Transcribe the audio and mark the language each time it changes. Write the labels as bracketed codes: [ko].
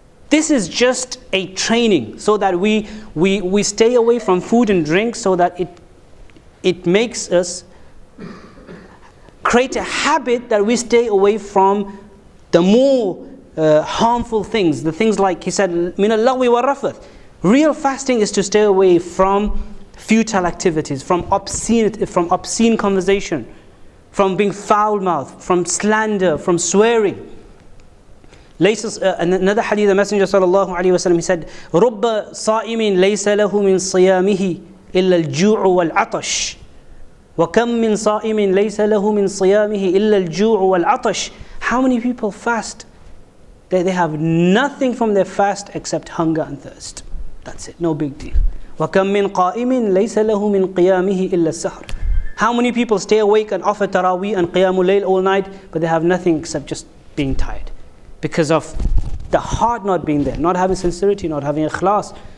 [en] This is just a training so that we stay away from food and drink, so that it makes us create a habit that we stay away from the more harmful things. The things like he said, min al-lagwi war-rafath. Real fasting is to stay away from futile activities, from obscene conversation, from being foul-mouthed, from slander, from swearing. Another hadith, the Messenger sallallahu alaihi wasallam, he said, [ar] رُبَّ صَائِمٍ لَيْسَ لَهُ مِنْ صِيَامِهِ إِلَّا الْجُوعُ وَالْعَطَشُ وَكَمْ مِنْ صَائِمٍ لَيْسَ لَهُ مِنْ صِيَامِهِ إِلَّا الْجُوعُ وَالْعَطَشُ. [en] How many people fast? They have nothing from their fast except hunger and thirst. That's it, no big deal. [ar] وَكَمْ مِنْ قَائِمٍ لَيْسَ لَهُ مِنْ قِيَامِهِ إِلَّا السَّهْرِ. [en] How many people stay awake and offer tarawih and qiyamu layl all night, but they have nothing except just being tired because of the heart not being there, not having sincerity, not having ikhlas.